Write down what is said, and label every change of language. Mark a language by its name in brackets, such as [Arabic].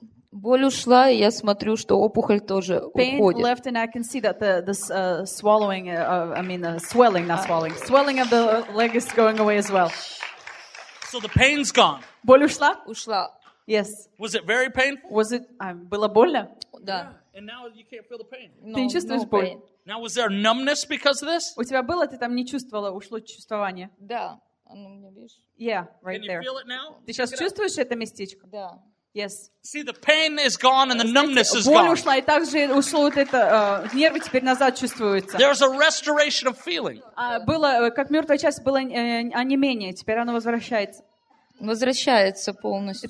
[Russian] Боль ушла, и я смотрю, что опухоль тоже [English] pain [Russian] уходит. [English] Pain left, and I can see that the swelling, swelling of the leg is going away as well. So the pain's gone. [Russian] Боль ушла? Ушла. [English] Yes. Was it very painful? Was it? [Russian] Было больно? Да. [English] And now you can't feel the pain. [Russian] Ты не чувствуешь боль? [English] Now, was there numbness because of this? [Russian] У тебя было, ты там не чувствовала, ушло чувствование? Да. Оно у меня, видишь? [English] Yeah, right there. Can you feel it now? [Russian] Ты сейчас чувствуешь это местечко? Да. [English] Yes. See, the pain is gone and the numbness is gone. [Russian] Боль ушла, и также ушло вот это, нервы теперь назад чувствуются. [English] There's a restoration of feeling. [Russian] Было, как мертвая часть, было онемение, теперь оно возвращается. Возвращается полностью.